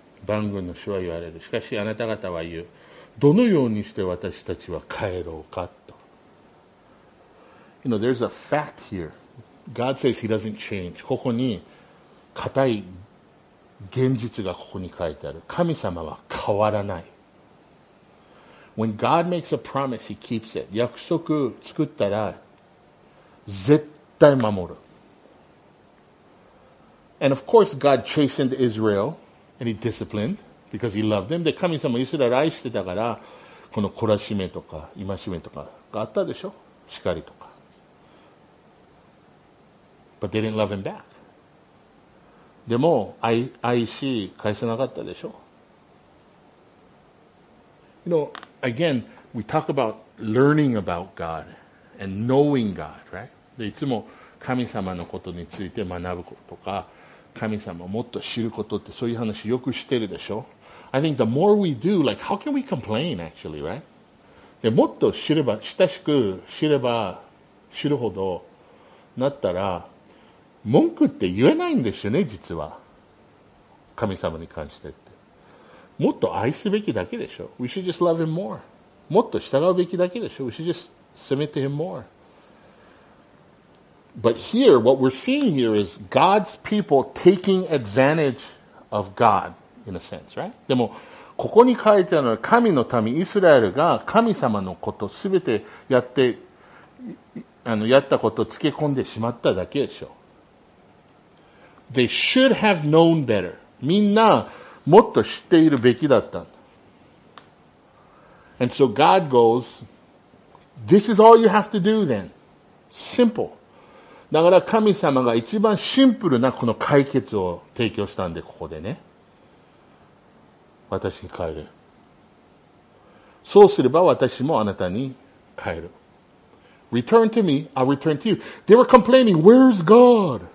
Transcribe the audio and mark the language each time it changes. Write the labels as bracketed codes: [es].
[ja] 万軍の主は言われる。しかしあなた方は言う。どのようにして私たちは帰ろうかと。 [en] You know, there's a fact here. God says he doesn't change. [ja] ここに固い現実がここに書いてある。神様は変わらない。 [en] When God makes a promise, he keeps it. [ja] 約束作ったら絶対守る。 [en] And of course, God chastened Israel and he disciplined. Because he loved them. [ja] で、神様イスラエル愛してたから、この懲らしめとか、戒めとかがあったでしょ？叱りとか。 [en] But they didn't love him back. [ja] でも、愛し、返せなかったでしょ？ [en] You know, again, we talk about learning about God and knowing God, right? [ja] で、いつも神様のことについて学ぶこととか、神様をもっと知ることって、そういう話よくしてるでしょ？ [en] I think the more we do, like, how can we complain, actually, right? [ja] で、もっと知れば、親しく知れば知るほどなったら、文句って言えないんですよね、実は。神様に関してって。もっと愛すべきだけでしょ。 [en] We should just love him more. [ja] もっと従うべきだけでしょ。 [en] We should just submit to him more. But here, what we're seeing here is God's people taking advantage of God. In a sense, right? [ja] でもここに書いてあるのは神の民イスラエルが神様のことすべてやってやったことをつけ込んでしまっただけでしょ。 [en] They should have known better. [ja] みんなもっと知っているべきだった。 [en] And so God goes, this is all you have to do then. Simple. [ja] だから神様が一番シンプルなこの解決を提供したんで、ここでね。私に変える。そうすれば私もあなたに変える。 [en] Return to me, I'll return to you. They were complaining, where's God?